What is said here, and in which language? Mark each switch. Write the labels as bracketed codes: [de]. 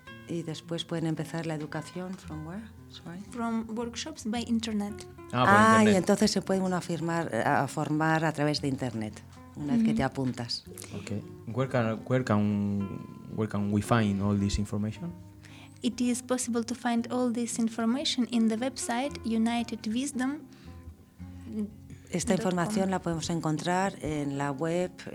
[es] Y después pueden empezar la educación [en] from where? Sorry. From workshops by internet. Internet. [es] Y entonces se puede uno formar a través de internet una vez que te apuntas. [en] Okay. Where can we find all this information? It is possible to find all this information in the website United Wisdom. [es] Esta información la podemos encontrar en la web